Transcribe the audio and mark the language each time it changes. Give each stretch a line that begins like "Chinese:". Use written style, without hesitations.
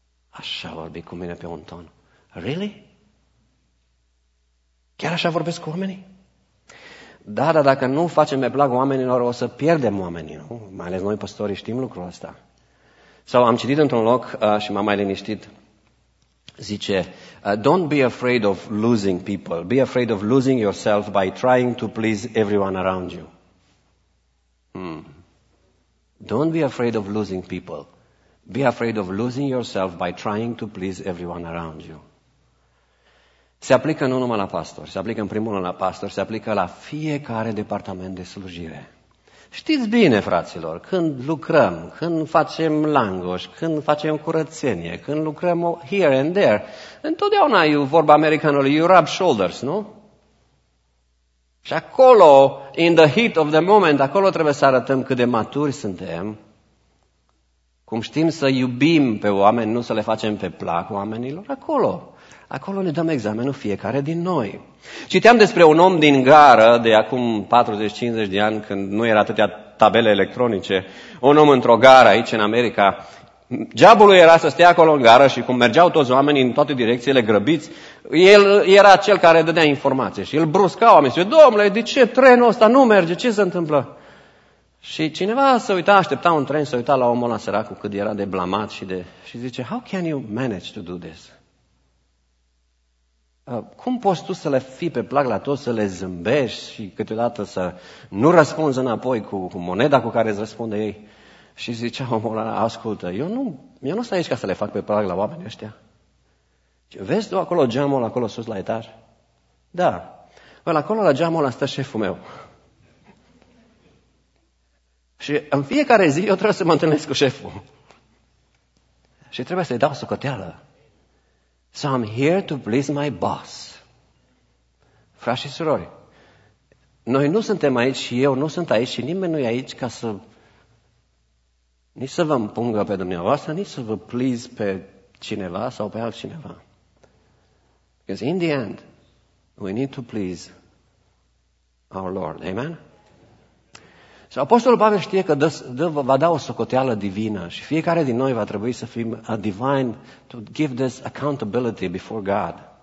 Romanian: Așa a vorbit cu mine pe un ton.
English: Really?
Romanian: Chiar așa vorbesc cu oamenii? Da, dar dacă nu facem pe plac oamenilor, o să pierdem oamenii, nu? Mai ales noi păstorii știm lucrul ăsta. Sau am citit într-un loc și m-am mai liniștit. Zice,
English: don't be afraid of losing people. Be afraid of losing yourself by trying to please everyone around you. Don't be afraid of losing people. Be afraid of losing yourself by trying to please everyone around you.
Romanian: Se aplică nu numai la pastor, se aplică în primul rând la pastor, se aplică la fiecare departament de slujire. Știți bine, fraților, când lucrăm, când facem langoș, când facem curățenie, când lucrăm
English: here and there,
Romanian: întotdeauna e vorba americanului,
English: you rub shoulders,
Romanian: nu? Și acolo,
English: in the heat of the moment,
Romanian: acolo trebuie să arătăm cât de maturi suntem, cum știm să iubim pe oameni, nu să le facem pe plac oamenilor, acolo. Acolo ne dăm examenul fiecare din noi. Citeam despre un om din gară de acum 40-50 de ani, când nu erau atâtea tabele electronice, un om într-o gară aici în America. Geabul lui era să stea acolo în gară și cum mergeau toți oamenii în toate direcțiile grăbiți, el era cel care dădea informații și îl brusca oamenii. Zice, domnule, de ce trenul ăsta nu merge? Ce se întâmplă? Și cineva se uita, aștepta un tren, se uita la omul ăla săracul cât era de blamat și de... Și zice,
English: how can you manage to do this?
Romanian: Cum poți tu să le fii pe plac la toți, să le zâmbești și câteodată să nu răspunzi înapoi cu moneda cu care îți răspunde ei? Și zicea omul ăla, ascultă, eu nu sunt aici ca să le fac pe plac la oamenii ăștia. Vezi tu acolo geamul, acolo sus la etaj? Da. Păi acolo la geamul ăla stă șeful meu. Și în fiecare zi eu trebuie să mă întâlnesc cu șeful. Și trebuie să-i dau socoteală.
English: So I'm here to please my boss.
Romanian: Frați și surori, noi nu suntem aici și eu nu sunt aici și nimeni nu e aici ca să... Nici să vă împungă pe dumneavoastră, nici să vă please pe cineva sau pe altcineva.
English: Because in the end, we need to please our Lord. Amen?
Romanian: Și Apostolul Pavel știe că va da o socoteală divină și fiecare din noi va trebui să fim
English: a divine to give this accountability before God.